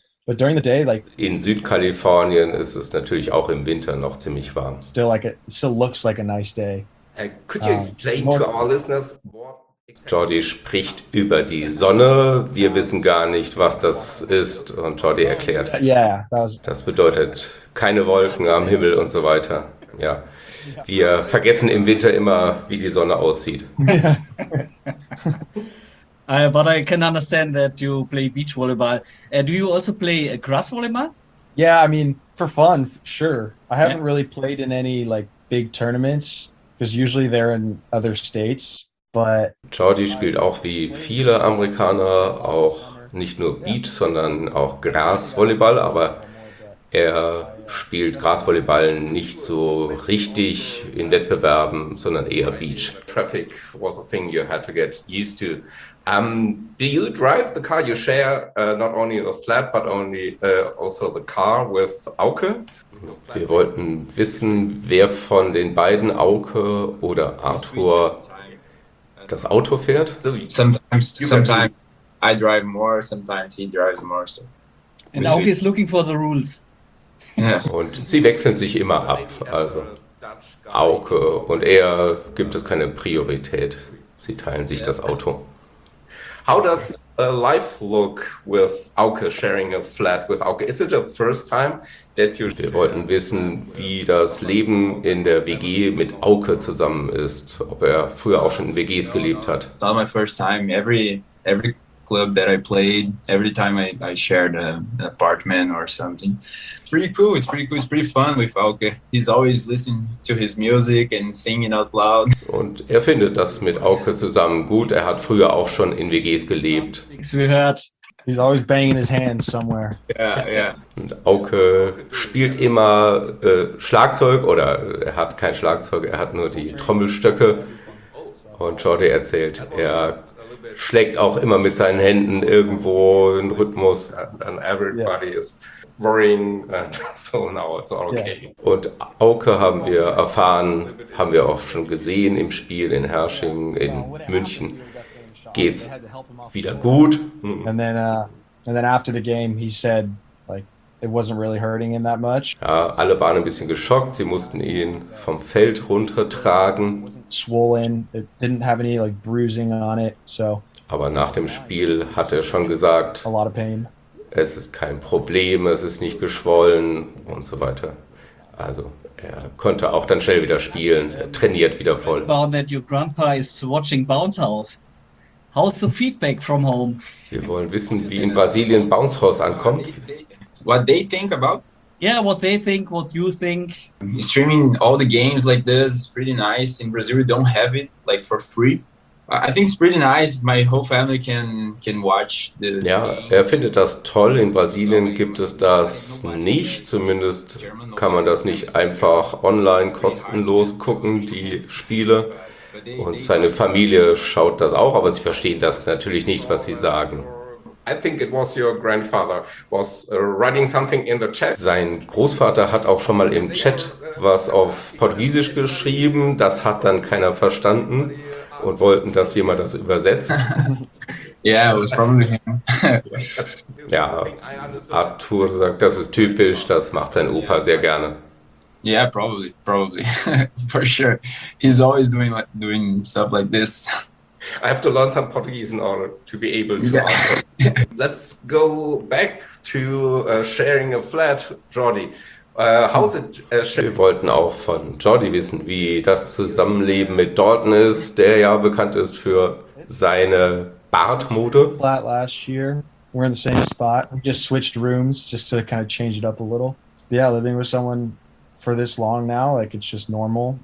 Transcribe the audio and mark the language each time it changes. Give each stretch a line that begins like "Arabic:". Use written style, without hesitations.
English: But during the day, like
German: in Südkalifornien ist es natürlich auch im Winter noch ziemlich warm.
English: Still like it still looks like a nice day. Could you explain more, to our listeners what
German: Jordi spricht über die Sonne. Wir wissen gar nicht, was das ist. Und Jordi erklärt, das bedeutet keine Wolken am Himmel und so weiter. Ja, wir vergessen im Winter immer, wie die Sonne aussieht.
English: But I can understand that you play beach volleyball. Do you also play grass volleyball? Yeah, I mean, for fun, sure. I haven't really played in any like big tournaments, because usually they're in other states. But
German: Jordi spielt auch wie viele Amerikaner auch nicht nur Beach, sondern auch Grasvolleyball, aber er spielt Grasvolleyball nicht so richtig in Wettbewerben, sondern eher Beach.
English: Traffic was a thing you had to get used to. Do you drive the car? You share not only the flat, but only also the car with Auke?
German: Wir wollten wissen, wer von den beiden, Auke oder Arthur, das Auto fährt.
English: Sometimes I drive more, sometimes he drives more. So. And Auke is looking for the rules.
German: Und sie wechseln sich immer ab. Also Auke und er gibt es keine Priorität. Sie teilen sich das Auto.
English: How does life look with Auke sharing a flat with Auke? Is it a first time that you?
German: Wir wollten wissen, wie das Leben in der WG mit Auke zusammen ist, ob er früher auch schon in WGs gelebt hat.
English: It's not my first time. Every club that I played, every time I shared an apartment or something. It's pretty cool. It's pretty fun with Auke. He's always listening to his music and singing out loud.
German: Und er findet das mit Auke zusammen gut. Er hat früher auch schon in WGs gelebt.
English: He's always banging his hands somewhere. Yeah.
German: Und Auke spielt immer Schlagzeug, oder er hat kein Schlagzeug, er hat nur die Trommelstöcke. Und Jordi erzählt, er schlägt auch immer mit seinen Händen irgendwo in Rhythmus.
English: And everybody is worrying, and so now it's all okay.
German: Und Auke haben wir erfahren, haben wir auch schon gesehen im Spiel in Herrsching, in München. Geht's wieder gut?
English: And then after the game, he said, like, it wasn't really hurting him that much.
German: Ja, alle waren ein bisschen geschockt. Sie mussten ihn vom Feld runtertragen.
English: Swollen, it didn't have any like bruising on it, so.
German: Aber nach dem Spiel hat er schon gesagt,
English: a lot of pain.
German: Es ist kein Problem, es ist nicht geschwollen und so weiter. Also er konnte auch dann schnell wieder spielen, er trainiert wieder voll.
English: About that your grandpa is watching Bounce House. How's the feedback from home?
German: Wir wollen wissen, wie in Brasilien Bounce House ankommt.
English: What they think about? Yeah, what they think, what you think. Streaming all the games like this is pretty nice. In Brazil, we don't have it like for free. I think it's pretty nice. My whole family can watch the game.
German: Ja, er findet das toll. In Brasilien gibt es das nicht. Zumindest kann man das nicht einfach online kostenlos gucken, die Spiele. Und seine Familie schaut das auch, aber sie verstehen das natürlich nicht, was sie sagen.
English: I think it was your grandfather was writing something in the chat.
German: Sein Großvater hat auch schon mal im Chat was auf Portugiesisch geschrieben. Das hat dann keiner verstanden und wollten, dass jemand das übersetzt.
English: Yeah, it was probably him.
German: Ja, Arthur sagt, das ist typisch, das macht sein Opa sehr gerne.
English: Yeah, probably. For sure. He's always doing stuff like this. I have to learn some Portuguese in order to be able to answer. Let's go back to sharing a flat, Jordi. How's it sharing?
German: Wir wollten auch von Jordi wissen, wie das Zusammenleben mit Dalton ist, der ja bekannt ist für seine Bartmode.
English: Flat last year. We're in the same spot. We just switched rooms just to kind of change it up a little. But yeah, living with someone for this long now, like it's just normal.